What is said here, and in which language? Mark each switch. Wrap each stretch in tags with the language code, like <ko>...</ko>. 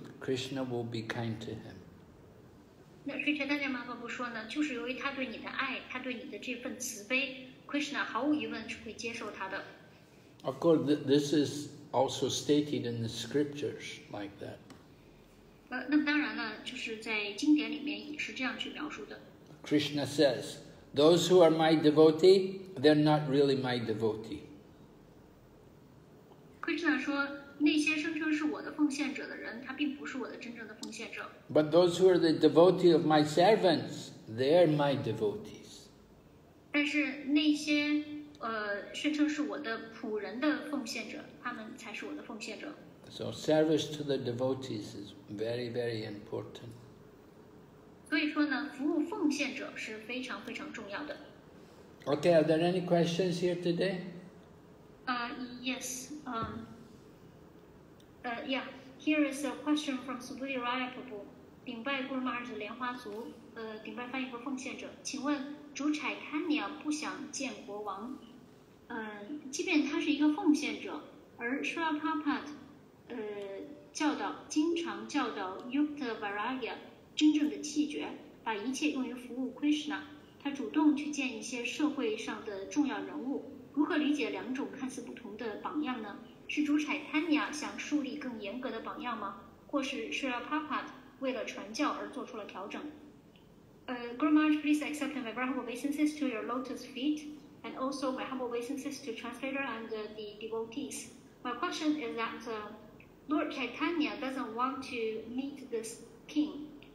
<en>Krishna will be kind to him.</en> <zh>那Sri Chaitanya Mahaprabhu说呢，就是由于他对你的爱，他对你的这份慈悲 ，Krishna 毫无疑问是会接受他的。</zh> <en>Of course, this is also stated in the scriptures like that.</en> <zh>那么当然呢，就是在经典里面也是这样去描述的。</zh> <en>Krishna says, "Those who are my devotee, they're not really my devotee."</en> <zh>Krishna 说。那些声称是我的奉献者的人，他并不是我的真正的奉献者。</zh> <en>But those who are the devotee of my servants, they are my devotees.</en> <zh>但是那些宣称是我的仆人的奉献者，他们才是我的奉献者。</zh> <en>So service to the devotees is very, very important.</en> <zh>所以说呢，服务奉献者是非常非常重要的。</zh> <en>Okay, are there any questions here today? Yes. Here is a question from Subhuti Raya Prabhu.</en> <zh>顶拜 Guru Maharaj 莲花族，顶拜翻译和奉献者，请问主 Chaitanya 不想见国王，即便他是一个奉献者，而 Srila Prabhupada 教导经常教导 Yukta Varagya 真正的气绝，把一切用于服务 Krishna，他主动去见一些社会上的重要人物。如何理解两种看似不同的榜样呢？是主柴坦尼亚想树立更严格的榜样吗？或是舍拉帕帕为了传教而做出了调整？</zh> <en>Guru Maharaj, please accept my very humble obeisances to your lotus feet, and also my humble obeisances to translator and the devotees. My question is that Lord Chaitanya doesn't want to meet this king.</en>